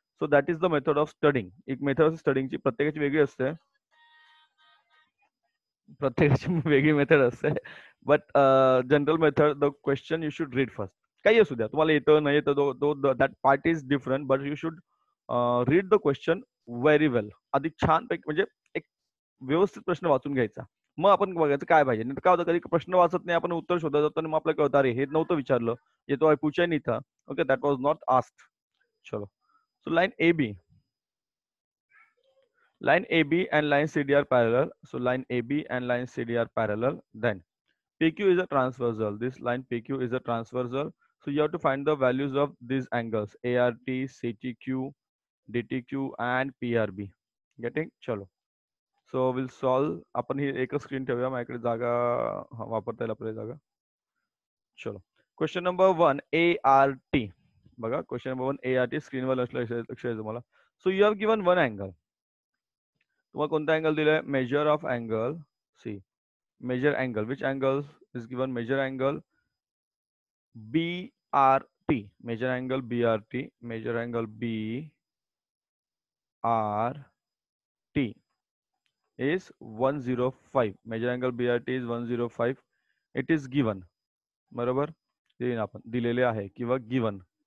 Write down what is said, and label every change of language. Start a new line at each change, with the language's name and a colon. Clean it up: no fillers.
English: So that is the method of studying.
Marathi: एक method असते स्टडींगची, प्रत्येकाची वेगळी असते, प्रत्येकाची वेगळी मेथड असते.
English: But general method, the question you should read first.
Marathi: काही असू द्या, तुम्हाला येतं नाही येतं
English: तो that part is different, but you should read the question very well.
Marathi: आधी छान पैकी म्हणजे एक व्यवस्थित प्रश्न वाचून घ्यायचा, मग आपण बघायचं काय पाहिजे. नंतर काय होतं, कधी प्रश्न वाचत नाही आपण, उत्तर शोधत जातो आणि मग आपल्याला कळतं अरे हे नव्हतं विचारलं, येतो आहे
Hindi: पूछा नाही था.
English: Okay, that was not asked. चलो, so line A B, line A B and line C D are parallel. So line A B and line C D are parallel. Then P Q is a transversal, this line P Q is a transversal. So you have to find the values of this angles A R T, C T Q, D T Q and P R B. Getting? चलो, so will solve.
Marathi: आपण ही एकच screen ठेवूया, माझ्याकडे जागा वापरता येईल आपल्याला जागा.
English: चलो, question number one A R T.
Marathi: बघा question number one A R T स्क्रीनवर लक्ष आहे तुम्हाला.
English: So you have given one angle.
Marathi: तुम्हाला कोणता अँगल दिलाय?
English: Measure of angle C, measure angle. Which angle is given? Measure angle B R T, measure angle B R T, measure angle B R T is 105. Measure angle B R T is 105. It is given.
Marathi: बरोबर, आपण दिलेले आहे किंवा given.